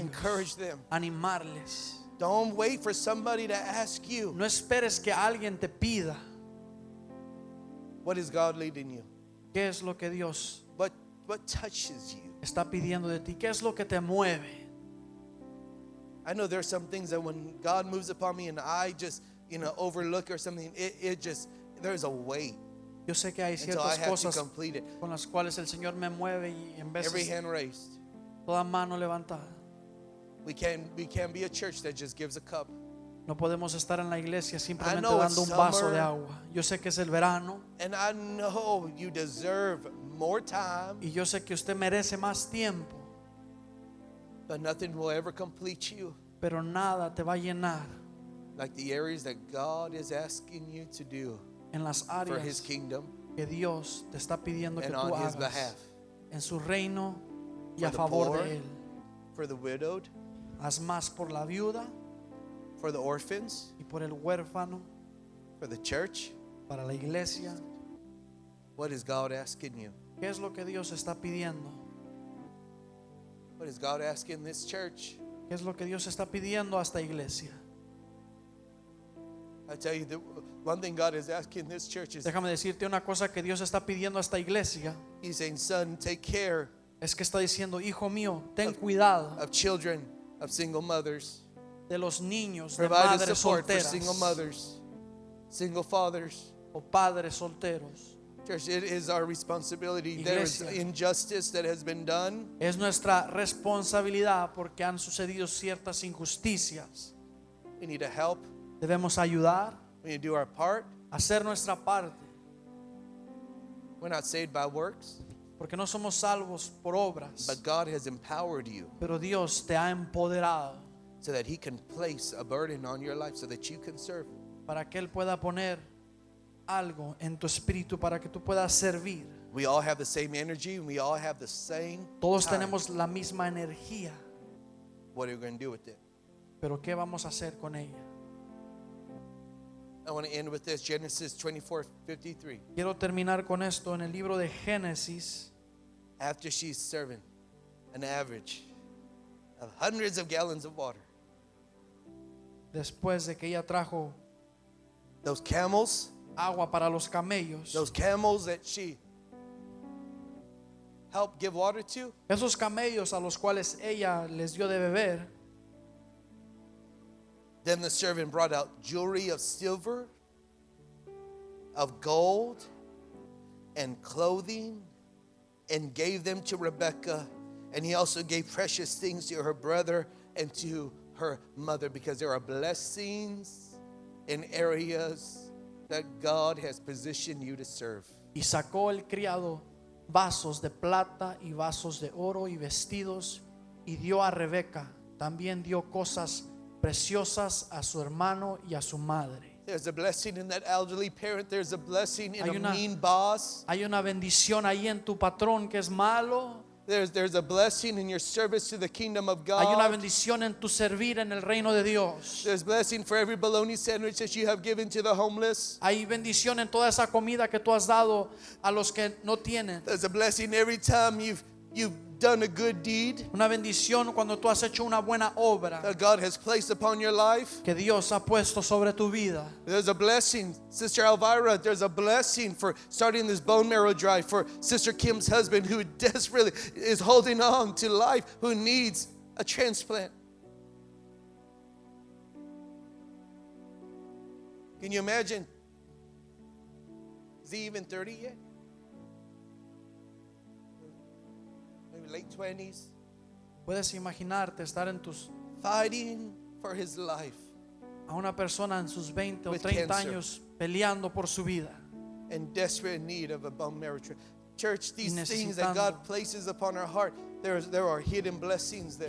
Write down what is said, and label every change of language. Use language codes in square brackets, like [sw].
[en] Encourage them. [es] Animarles. [en] Don't wait for somebody to ask you. [es] No esperes que alguien te pida. [en] What is God leading you? [es] ¿Qué es lo que Dios? [en] What touches you? [es] Está pidiendo de ti. ¿Qué es lo que te mueve? [en] I know there are some things that when God moves upon me and I just, you know, overlook or something, it just, there's a weight. [es] Yo sé que hay ciertas cosas con las cuales el Señor me mueve y en veces. [en] Every hand raised. [es] Toda mano levantada. [en] We can't be a church that just gives a cup. [es] No podemos estar en la iglesia simplemente dando un vaso de agua. Yo sé que es el verano. [en] And I know you deserve more time. [es] Y yo sé que usted merece más tiempo. [en] But nothing will ever complete you. [es] Pero nada te va a llenar. [en] Like the areas that God is asking you to do. [es] En las áreas [en] for his kingdom, [es] que Dios te está pidiendo que tú [en] on [es] hagas [en] his behalf, [es] en su reino y a favor de él. [en] For the widowed, [es] haz más por la viuda, [en] for the orphans, [es] y por el huérfano, [en] for the church, [es] para la iglesia. [en] What is God asking you? [es] ¿Qué es lo que Dios está pidiendo? [en] What is God asking this church? [es] ¿Qué es lo que Dios está pidiendo a esta iglesia? [en] I tell you, the one thing God is asking this church is. [es] Déjame decirte una cosa que Dios está pidiendo a esta iglesia. [en] He's saying, son, take care. [es] Es que está diciendo, hijo mío, ten cuidado. [en] Of children, of single mothers. [es] De los niños, de madres solteras. [en] Provide support for single mothers, single fathers. [es] O padres solteros. [en] Church, it is our responsibility. There is injustice that has been done. [es] Es nuestra responsabilidad porque han sucedido ciertas injusticias. [en] We need to help. [es] Debemos ayudar. [en] We need to do our part. [es] Hacer nuestra parte. [en] We're not saved by works. [es] Porque no somos salvos por obras. [en] But God has empowered you. [es] Pero Dios te ha empoderado. [en] So that he can place a burden on your life so that you can serve. [es] Para que él pueda poner algo en tu espíritu para que tú puedas servir. [en] We all have the same energy and we all have the same. [es] Todos tenemos la misma energía. [en] What are you going to do with it? [es] Pero ¿qué vamos a hacer con ella? [en] I want to end with this, Genesis 24:53. [es] Quiero terminar con esto en el libro de Génesis. [en] After she's serving an average of hundreds of gallons of water. [es] Después de que ella trajo [en] those camels, [es] agua para los camellos. [en] Those camels that she help give water to. [es] Esos camellos a los cuales ella les dio de beber. [en] Then the servant brought out jewelry of silver, of gold, and clothing, and gave them to Rebecca, and he also gave precious things to her brother and to her mother, because there are blessings in areas that God has positioned you to serve. [es] Y sacó el criado vasos de plata y vasos de oro y vestidos, y dio a Rebeca. También dio cosas preciosas a su hermano y a su madre. [en] There's a blessing in that elderly parent. There's a blessing in a mean boss. [es] Hay una bendición ahí en tu patrón que es malo. [en] There's a blessing in your service to the kingdom of God. [es] Hay una bendición en tu servir en el reino de Dios. [en] There's blessing for every bologna sandwich that you have given to the homeless. [es] Hay bendición en toda esa comida que tú has dado a los que no tienen. [en] There's a blessing every time you've done a good deed. [es] Una bendición cuando tú has hecho una buena obra. [en] That God has placed upon your life. [es] Que Dios ha puesto sobre tu vida. [en] There's a blessing, Sister Elvira. There's a blessing for starting this bone marrow drive for Sister Kim's husband, who desperately is holding on to life, who needs a transplant. Can you imagine? Is he even 30 yet? Late 20s. [es] Puedes imaginarte estar en tus [en] fighting for his life. [es] A una persona en sus 20 o 30 años peleando por su vida. [en] In desperate need of a bone marrow transplant. Church, these things that God places upon our heart, there are hidden blessings there.